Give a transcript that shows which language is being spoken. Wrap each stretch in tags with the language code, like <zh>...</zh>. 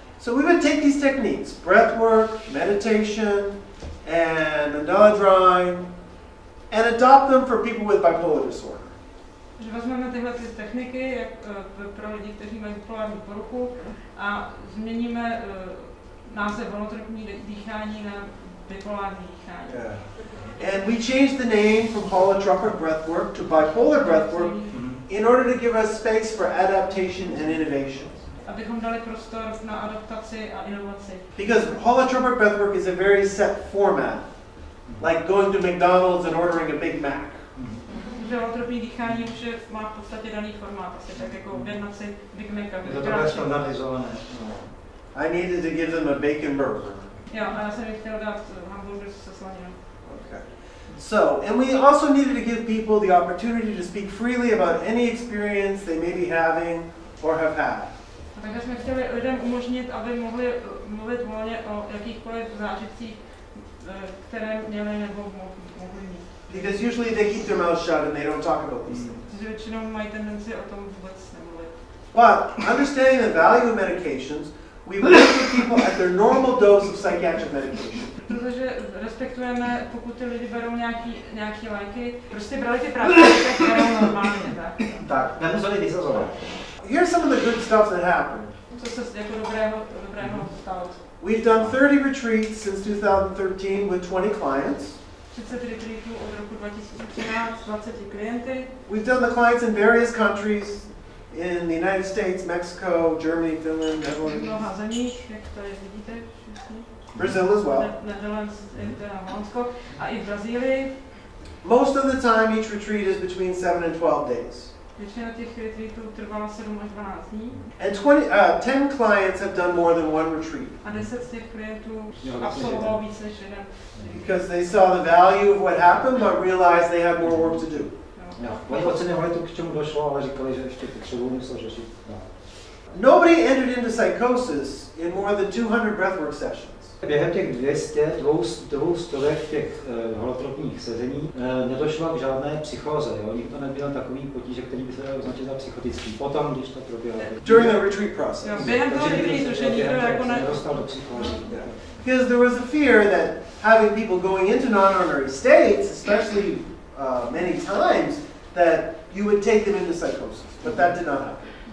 <en>So we would take these techniques, breath work, meditation, and mandala drawing, and adopt them for people with bipolar disorder.</en> <cs>Že vezmeme tyhle ty techniky jak pro lidi, kteří mají bipolární poruchu, a změníme název holotropní dýchání na bipolární dýchání.</cs> <en>And we changed the name from holotropic breath work to bipolar breath work in order to give us space for adaptation and innovation.</en> <cs>Abychom dali prostor na adaptaci a inovaci.</cs> <en>Because holotropic breathwork is a very set format, like going to McDonald's and ordering a Big Mac.</en> <cs>Že holotropní dýchání už má v podstatě daný formát, asi tak jako objednat si Big Mac. Je to takové standardizované.</cs> <en>I needed to give them a bacon burger.</en> <cs>Jo, a já jsem chtěl dát hamburger se slaninou.</cs> <en>So, and we also needed to give people the opportunity to speak freely about any experience they may be having or have had.</en> <cs>Takže jsme chtěli lidem umožnit, aby mohli mluvit volně o jakýchkoliv zážitcích, které měli nebo mohli mít.</cs> <en>Because usually they keep their mouths shut and they don't talk about these things.</en> <cs>Většinou mají tendenci o tom vůbec nemluvit.</cs> <en>But understanding the value of medications, we look at people at their normal dose of psychiatric medication.</en> <cs>Protože respektujeme, pokud ty lidi berou nějaký léky, prostě brali ty prací, tak berou normálně, tak? Tak, nemuseli vysazovat.</cs> <en>Here's some of the good stuff that happened.</en> <cs>Co se jako dobrého stalo?</cs> <en>We've done 30 retreats since 2013 with 20 clients.</en> <cs>30 retreatů od roku 2013, 20 klienty.</cs> <en>We've done the clients in various countries, in the United States, Mexico, Germany, Finland, Netherlands.</en> <cs>V mnoha zemích, jak tady vidíte všichni.</cs> <en>Brazil as well.</en> <cs>Netherlands, Holandsko a i v Brazílii.</cs> <en>Most of the time each retreat is between 7 and 12 days.</en> <cs>Většina těch retreatů trvala 7 až 12 dní.</cs> <en>And 10 clients have done more than one retreat.</en> <cs>A 10 z těch klientů absolvovalo více než jeden.</cs> <en>Because they saw the value of what happened, but realized they had more work to do.</en> <cs>No, oni ocenili to, k čemu došlo, ale říkali, že ještě potřebují něco řešit. No.</cs> <en>Nobody entered into psychosis in more than 200 breathwork sessions.</en> <cs>Během těch 200 těch holotropních sezení nedošlo k žádné psychóze. Jo? Nikdo neměl takový potíže, který by se dal označit za psychotický. Potom, když to proběhlo.</cs> <en>During the retreat process. Jo,</en> <cs>během toho retreatu, že nikdo nedostal do psychózy.</cs> <en>Because there was a fear that having people going into non-ordinary states, especially many times, that you would take them into psychosis, but that did not happen.</en>